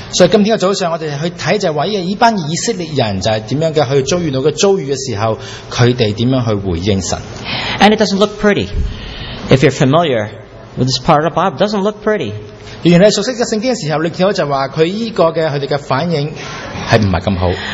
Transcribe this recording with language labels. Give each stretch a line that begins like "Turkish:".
Cantonese: 所以今天嘅早上，我哋去睇就系话呢班以色列人就系点样嘅去遭遇到嘅遭遇嘅时候，佢哋点样去回应神。
English: And it doesn't look pretty. If you're familiar with this part of the Bible, it doesn't look pretty.
Cantonese: 原来熟悉嘅圣经嘅时候，你见到就话佢呢个嘅佢哋嘅反应系唔系咁好。